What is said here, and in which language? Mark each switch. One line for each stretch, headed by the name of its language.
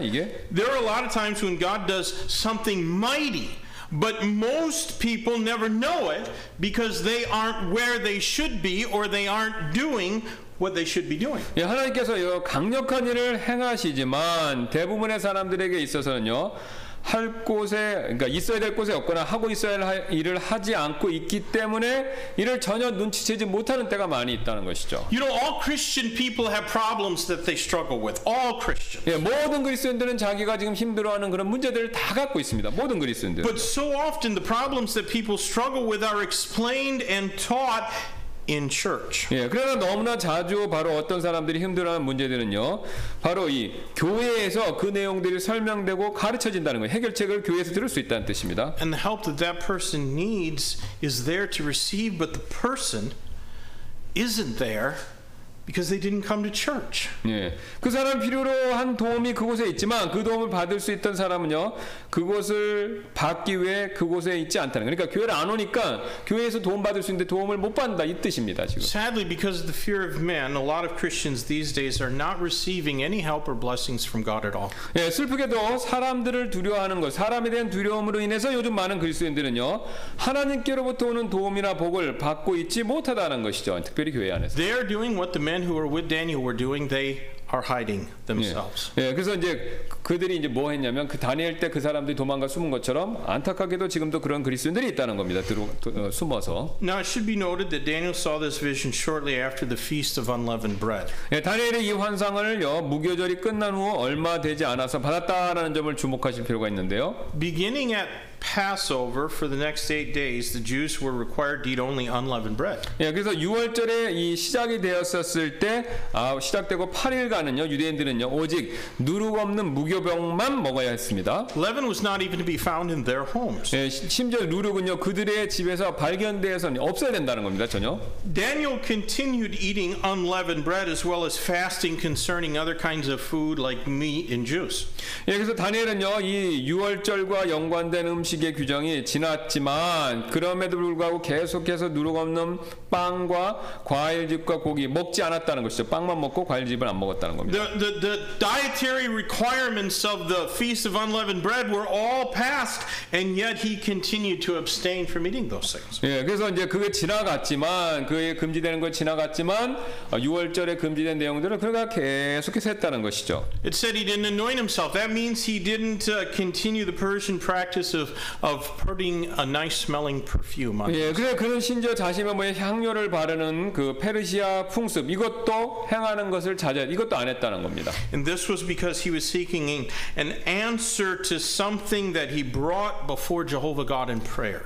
Korean: 이게.
English: There are a lot of times when God does something mighty. But most people never know it because they aren't where they should be or they aren't doing what they should be doing.
Korean: 예, 하나님께서요 강력한 일을 행하시지만 대부분의 사람들에게 있어서는요 할 곳에 그러니까 있어야 될 곳에 없거나 하고 있어야 할 일을 하지 않고 있기 때문에 이를 전혀 눈치채지 못하는 때가 많이 있다는 것이죠.
English: You know, all Christian people have problems that they struggle with. All Christians.
Korean: 예, 모든 그리스도인들은 자기가 지금 힘들어하는 그런 문제들을 다 갖고 있습니다. 모든 그리스도인들.
English: But so often the problems that people struggle with are explained and taught. In church.
Korean: 예, 그러나 너무나 자주 바로 어떤 사람들이 힘들어하는 문제들은요, 바로 이 교회에서 그 내용들이 설명되고 가르쳐진다는 거예요. 해결책을 교회에서 들을 수 있다는 뜻입니다.
English: And the help that that person needs is there to receive, but the person isn't there. because they didn't come to church.
Korean: 예, 그 사람 필요로 한 도움이 그곳에 있지만 그 도움을 받을 수 있던 사람은요 그곳을 받기 위해 그곳에 있지 않다는. 그러니까 교회를 안 오니까 교회에서 도움 받을 수 있는데 도움을 못 받는다 이 뜻입니다 지금.
English: Sadly, because of the fear of man, a lot of Christians these days are not receiving any help or blessings from God at all.
Korean: 예, 슬프게도 사람들을 두려워하는 것, 사람에 대한 두려움으로 인해서 요즘 많은 그리스도인들은요 하나님께로부터 오는 도움이나 복을 받고 있지 못하다는 것이죠. 특별히 교회 안에서.
English: They are doing what the men who were with Daniel were doing. They are hiding themselves.
Korean: 예, 예 그래서 이제 그들이 이제 뭐 했냐면 그 다니엘 때 그 사람들이 도망가 숨은 것처럼 안타깝게도 지금도 그런 그리스도인들이 있다는 겁니다. 숨어서.
English: Now it should be noted that Daniel saw this vision shortly after the Feast of Unleavened Bread.
Korean: 예, 다니엘이 이 환상을요 무교절이 끝난 후 얼마 되지 않아서 받았다라는 점을 주목하실 필요가 있는데요.
English: Beginning at Passover for the next 8 days, the Jews were required to eat only unleavened bread.
Korean: 예, 그래서 유월절에 이 시작이 되었었을 때 아, 시작되고 8일간은요 유대인들은요 오직 누룩 없는 무교병만 먹어야 했습니다.
English: Leaven was not even to be found in their homes.
Korean: 예, 심지어 누룩은요 그들의 집에서 발견되어서는 없어야 된다는 겁니다 전혀.
English: Daniel continued eating unleavened bread as well as fasting concerning other kinds of food like meat and juice.
Korean: 예, 그래서 다니엘은요 이 유월절과 연관된 음식의 규정이 지났지만 그럼에도 불구하고 계속해서 누룩 없는 빵과 과일즙과 고기 먹지 않았다는 것이죠. 빵만 먹고 과일즙을 안 먹었다는 겁니다.
English: The dietary requirements of the Feast of Unleavened Bread were all passed, and yet he continued to abstain from eating those things.
Korean: 예, 그래서 이제 그게 지나갔지만 그의 금지되는 것 지나갔지만 유월절에 금지된 내용들을 그가 계속해서 했다는 것이죠.
English: It said he didn't anoint himself. That means he didn't continue the Persian practice of putting a nice-smelling perfume on.
Korean: 예, 그래 그는 심지어 자신의 몸에 향료를 바르는 그 페르시아 풍습 이것도 행하는 것을 자제 이것도 안 했다는 겁니다.
English: And this was because he was seeking an answer to something that he brought before Jehovah God in prayer.